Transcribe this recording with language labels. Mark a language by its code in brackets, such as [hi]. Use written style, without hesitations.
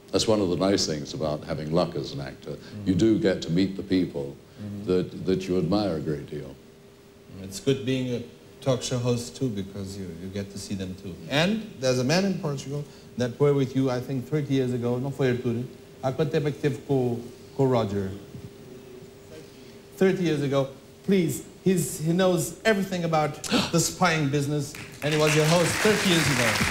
[en] That's one of the nice things about having luck as an actor. Mm-hmm. You do get to meet the people that you admire a great deal. It's good being talk show hosts too, because you get to see them too. And there's a man in Portugal that were with you, I think, 30 years ago. [pt] Não foi Artur? Há quanto tempo é que teve com o Roger? [en] 30 years ago. Please, he knows everything about the spying business, and he was your host 30 years ago.